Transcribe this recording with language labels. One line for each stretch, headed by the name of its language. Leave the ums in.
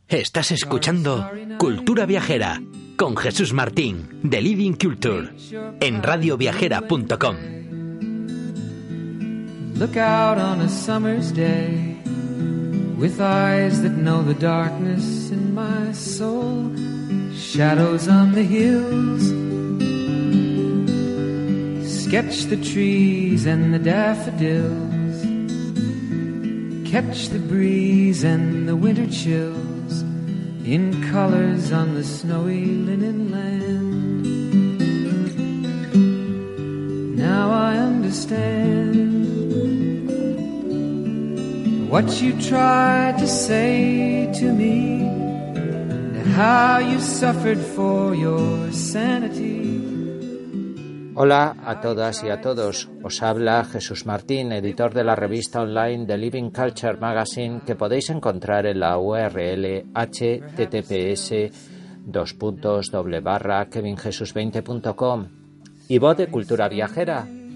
Spanish: Estás escuchando Cultura Viajera con Jesús Martín de Living Culture en radioviajera.com.
English: Look out on a summer's day with eyes that know the darkness in my soul, shadows on the hills. Sketch the trees and the daffodils. Catch the breeze and the winter chill in colors on the snowy linen land. Now I understand what you tried to say to me, and how you suffered for your sanity.
Spanish: Hola a todas y a todos. Os habla Jesús Martín, editor de la revista online The Living Culture Magazine, que podéis encontrar en la URL https kevinjesus20.com y voz de cultura viajera